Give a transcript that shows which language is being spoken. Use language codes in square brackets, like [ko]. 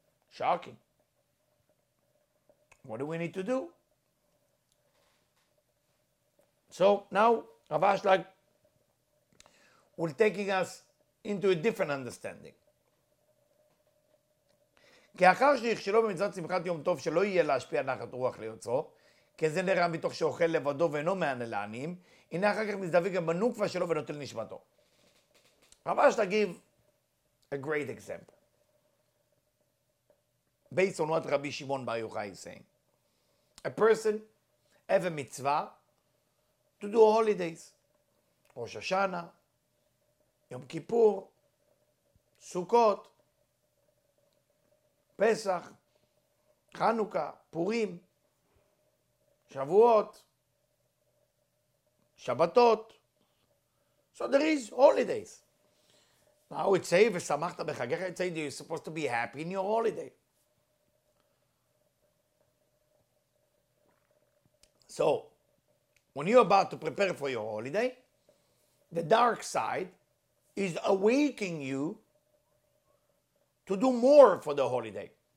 [en] Shocking. What do we need to do? So now Rav Ashlag will taking us into a different understanding. [he] כי אחר שיכשלו במצוות שמחת יום טוב שלא יהיה להשפיע נחת רוח ליוצרו, כי זה נראה מתוך שאוכל לבדו ואינו מענה לעניים, הנה אחר כך מזדווג גם בנוקבה שלו ונוטל נשמתו. ממש תגיב [en] a great example. Based on what רבי שמעון בר יוחאי is saying. A person have a mitzvah to do holidays. [he] ראש השנה, יום כיפור, סוכות, פסח, חנוכה, פורים, Shavuot, Shabbatot. [en] So there is holidays. Now it says, [he] V'samachta b'chagecha, [en] it says you're supposed to be happy in your holiday. So, when you're about to prepare for your holiday, the dark side is awakening you to do more for the holiday.